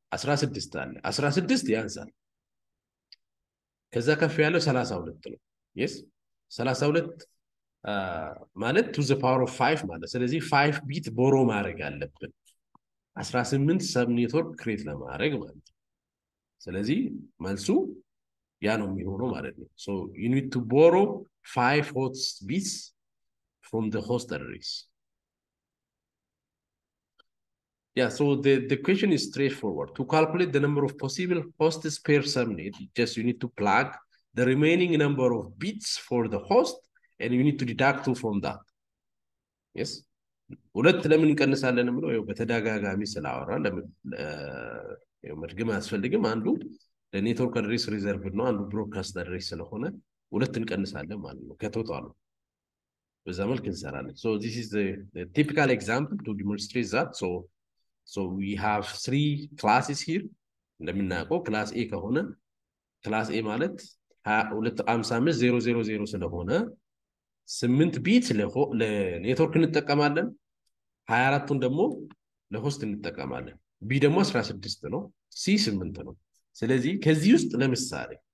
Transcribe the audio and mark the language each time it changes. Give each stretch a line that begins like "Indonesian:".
Amharic: 16 አለ። 16 ያንሳል። ከዛ ከፍ ያለው 32 ነው። የስ 32 ማለት
English: ቱ ዘ ፓወር ኦፍ 5
Amharic: ማለት። ስለዚህ 5 ቢት ቦሮ ማድረግ አለብን 18 ሰብ ኔትወርክ ክሬት ለማድረግ ማለት ነው። ስለዚህ መልሱ ያ ነው የሚሆነው ማለት ነው።
English: so you need to borrow 5 host bits from the host address Yeah, so the question is straightforward. To calculate the number of possible hosts per subnet, just you need to plug the remaining number of bits for the host, and you need to deduct two from that. Yes?
Amharic: ሁለት ለምን እንቀንሳለን ብለው ያው በተደጋጋሚ ስለአወራ ለምን ያው መድገም አስፈልግም አንዱ ለኔትወርክ አድሬስ ሪዘርቭ ነው አንዱ ብሮድካስት አድሬስ ስለሆነ ሁለት እንቀንሳለን ማለት ነው ከቶታሉ በዛ መልክ እንሰራለን
English: so this is the typical example to demonstrate that so we have three classes here
Amharic: እንደምናውቀው class A ከሆነ class A ማለት 255000 ስለሆነ 8 ቢት ለኔትወርክ እንጠቀማለን 24ቱን ደግሞ ለሆስት እንጠቀማለን ቢ ደግሞ 16 ነው ሲ 8 ነው ስለዚህ ከዚህ ውስጥ ለምሳሌ